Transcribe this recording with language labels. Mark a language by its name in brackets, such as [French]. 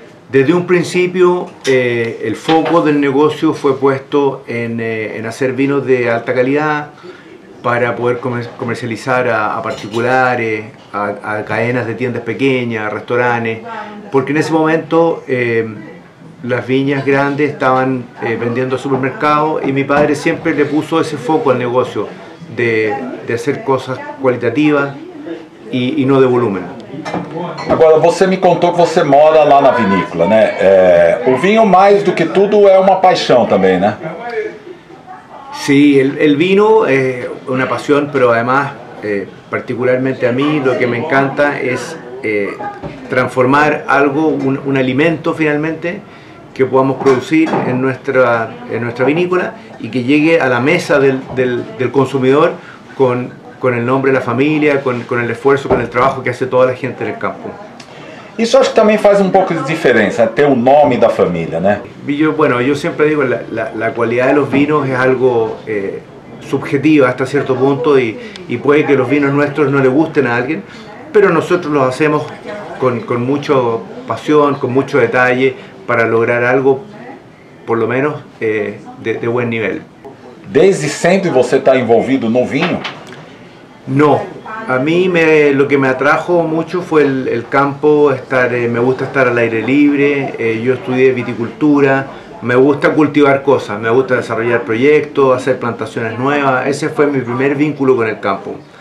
[Spanish] Desde un principio, el foco del negocio fue puesto en hacer vinos de alta calidad para poder comercializar a particulares, a cadenas de tiendas pequeñas, a restaurantes, porque en ese momento las viñas grandes estaban vendiendo a supermercados y mi padre siempre le puso ese foco al negocio de hacer cosas cualitativas y no de volumen. [Portuguese] Agora, você me contou que você mora lá na vinícola, né? O vinho, mais do que tudo, é uma paixão também, né? Sim, o vinho é uma paixão, mas, além disso, particularmente a mim, o que me encanta é transformar algo, um alimento, finalmente, que podamos produzir em nossa vinícola e que chegue à mesa do consumidor com o nome da família, com o esforço, com o trabalho que faz toda a gente no campo. Isso acho que também faz um pouco de diferença, ter o nome da família, né? Eu, bueno, eu sempre digo que a qualidade dos vinhos é algo subjetivo até certo ponto e pode que os vinhos nossos não lhe gostem a alguém, mas nós os fazemos com muita paixão, com muito detalhe para lograr algo, [Spanish] por lo menos, [Portuguese] de bom nível. Desde sempre você está envolvido no vinho? [Spanish] No, a mí lo que me atrajo mucho fue el campo, me gusta estar al aire libre, yo estudié viticultura, me gusta cultivar cosas, me gusta desarrollar proyectos, hacer plantaciones nuevas, ese fue mi primer vínculo con el campo.